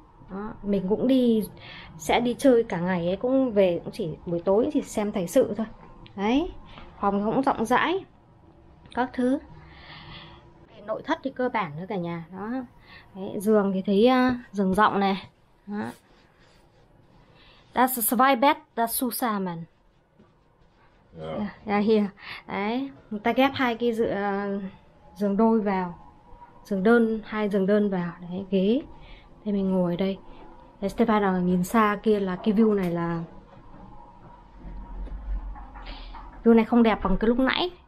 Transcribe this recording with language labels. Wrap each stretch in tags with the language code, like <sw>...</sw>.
<vi>Đó, mình cũng đi sẽ đi chơi cả ngày ấy, cũng về cũng chỉ buổi tối thì xem thời sự thôi. Đấy, phòng cũng rộng rãi các thứ. Về nội thất thì cơ bản nữa cả nhà. Đó. Đấy, giường thì thấy giường rộng này. Đó.</vi> <de>Das zwei Bett das zusammen. Ja, hier.</de> <vi>Đấy, người ta ghép hai cái giường đôi vào. Giường đơn, hai giường đơn vào. Đấy, ghế. Thế mình ngồi ở đây. Đấy, Stefan ở nhìn xa kia là cái view này là view này không đẹp bằng cái lúc nãy.</vi>